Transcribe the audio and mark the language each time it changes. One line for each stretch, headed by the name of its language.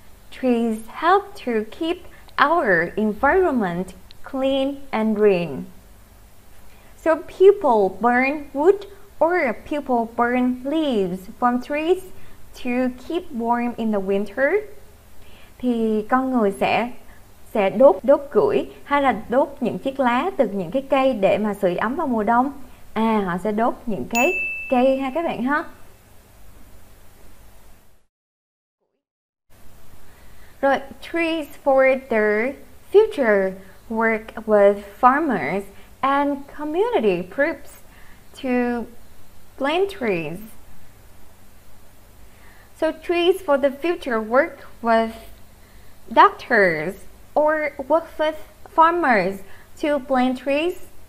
English: Trees help to keep our environment clean and green. So people burn wood or people burn leaves from trees to keep warm in the winter.
Vietnamese: Thì con người sẽ đốt củi hay là đốt những chiếc lá từ những cái cây để mà sưởi ấm vào mùa đông. À, họ sẽ đốt những cái cây ha các bạn ha.
English: Rồi, trees for their future, work with farmers and community groups to plant trees. So trees for the future work with doctors or work with farmers to plant trees.